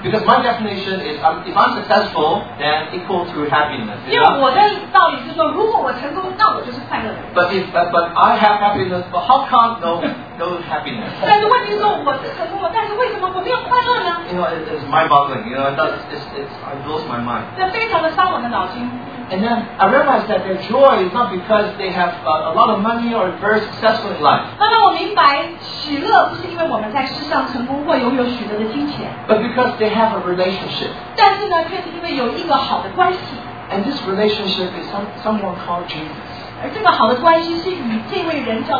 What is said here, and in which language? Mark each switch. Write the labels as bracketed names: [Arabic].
[English] Because my definition is, if I'm successful, then equal to happiness. [Chinese] 因为我的道理是说，如果我成功，那我就是快乐的。 [English] But I have happiness, but how come no happiness? [Chinese] 但是问题是说，我是成功了，但是为什么我没有快乐呢？ [English] You know, it's mind-boggling. You know, it blows my mind. [Chinese] 这非常的伤我的脑筋。 [English] And then I realized that their joy is not because they have a lot of money or very successful in life. But because they have a relationship. And this relationship is someone called Jesus.